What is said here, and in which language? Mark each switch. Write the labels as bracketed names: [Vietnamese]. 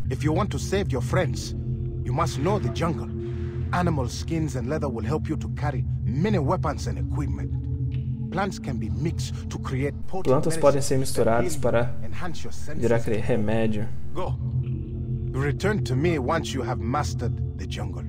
[English] If you want to save your friends, you must know the jungle. Animal skins and leather will help you to carry many weapons and equipment. Plants can be mixed to create potions. [Portuguese] Plantas podem ser misturadas para virar aquele remédio. [English] Go. Return to me once you have mastered the jungle.